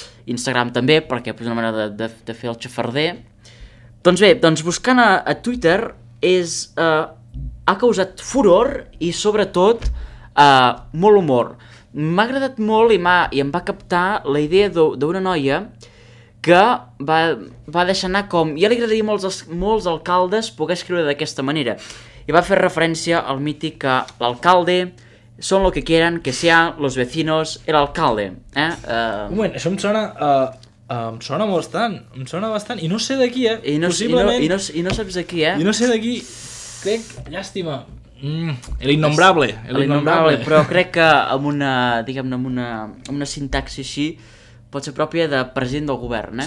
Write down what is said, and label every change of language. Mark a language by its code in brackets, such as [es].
[ca] Instagram també, perquè és una manera de fer el xafarder. Doncs bé, doncs buscant a Twitter ha causat furor i sobretot molt humor. M'ha agradat molt i em va captar la idea d'una noia que va deixar anar com... Ja li agradaria molts alcaldes poder escriure d'aquesta manera. I va fer referència al mític que l'alcalde... [es] Son lo que quieran, que sea los vecinos el alcalde. [ca] Un moment, això em sona bastant, i no sé d'aquí, eh? I no saps d'aquí, crec, llàstima, el innombrable. Però crec que amb una, diguem-ne, amb una sintaxi així, pot ser pròpia de president del govern, eh?